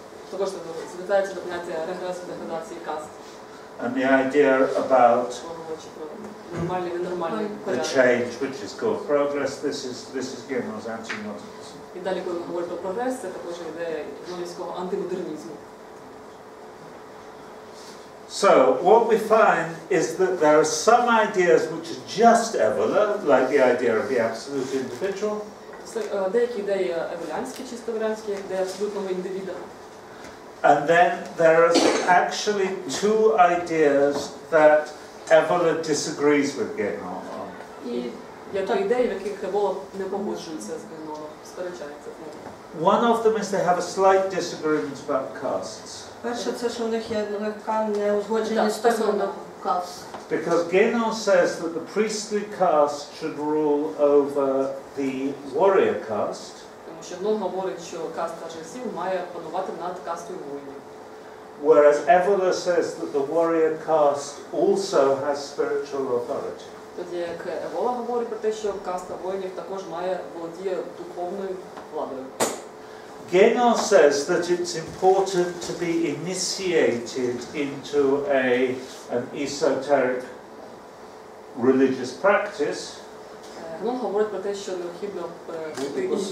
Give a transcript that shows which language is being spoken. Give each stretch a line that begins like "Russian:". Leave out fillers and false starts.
Ukrainian: Також звертається до поняття регресу, деградації каст.
English: and the idea about the change, which is called progress, this is Gilmore's anti-modernism.
Ukrainian: І далі, коли ми говоримо про прогрес, це також іде гілмовського антимодернізму.
English: So what we find is that there are some ideas which are just Evola, like the idea of the absolute individual.
Ukrainian: Деякі ідеї еволянські, чисто еволянські, як ідея абсолютного індивіда.
English: And then there are actually two ideas that Evola disagrees with Genon on.
Ukrainian: І є та ідеї, в яких Евола не погоджується з Геноном, сперечається з ним.
English: One of them is they have a slight disagreement about castes.
Ukrainian: Перше це, що у них є легка неузгодженість стосовно каст.
English: Because Genon says that the priestly caste should rule over the warrior caste.
Ukrainian: Тому що Генон говорить, що каста жінців має панувати над кастою воїнів.
English: Whereas Evola says that the warrior caste also has spiritual authority.
Ukrainian: Тоді як Евола говорить про те, що каста воїнів також має володіє духовною владою.
English: Генон says that it's important to be initiated into an esoteric religious practice.
Ukrainian: Генон говорить про те, що необхідно бути